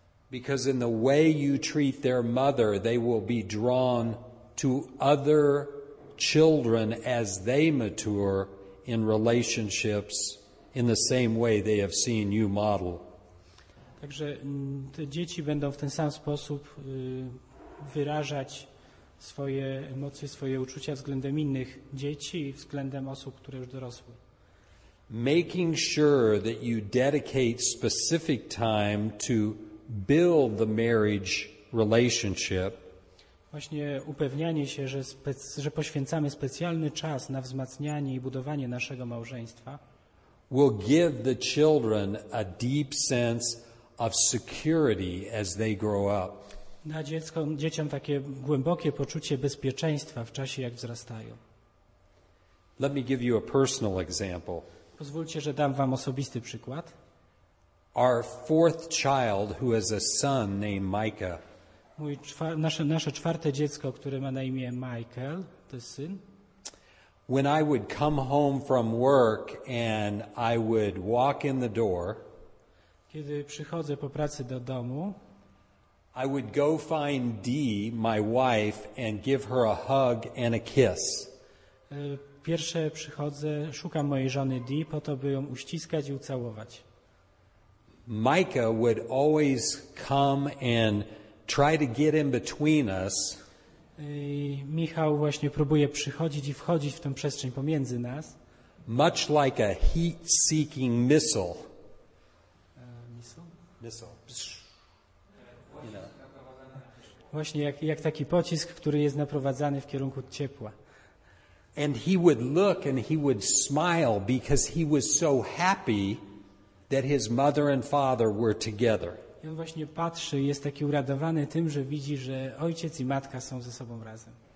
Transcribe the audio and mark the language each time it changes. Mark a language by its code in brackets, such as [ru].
[en] Because in the way you treat their mother, they will be drawn to other children as they mature in relationships in the same way they have seen you model. [pl] Także te dzieci będą w ten sam sposób wyrażać swoje emocje, swoje uczucia względem innych dzieci i względem osób, które już dorosły. [en] Making sure that you dedicate specific time to build the marriage relationship. [pl] Właśnie upewnianie się, że poświęcamy specjalny czas na wzmacnianie i budowanie naszego małżeństwa, [en] will give the children a deep sense of security as they grow up. [pl] Da dzieciom takie głębokie poczucie bezpieczeństwa w czasie, jak wzrastają. [en] Let me give you a personal example. [pl] Pozwólcie, że dam wam osobisty przykład. [en] Our fourth child, who has a son named Micah. [pl] Nasze czwarte dziecko, które ma na imię Michael, to jest syn. [en] When I would come home from work and I would walk in the door, [pl] kiedy przychodzę po pracy do domu, [en] I would go find Dee, my wife, and give her a hug and a kiss. [pl] Pierwsze przychodzę, szukam mojej żony Dee po to, by ją uściskać i ucałować. [en] Micah would always come and try to get in between us. [pl] Michał właśnie próbuje przychodzić i wchodzić w tę przestrzeń pomiędzy nas. [en] Much like a heat-seeking missile. [pl] Właśnie jak taki pocisk, który jest naprowadzany w kierunku ciepła. [en] And he would look and he would smile because he was so happy that his mother and father were together. [pl] I on właśnie patrzy i jest taki uradowany tym, że widzi, że ojciec i matka są ze sobą razem.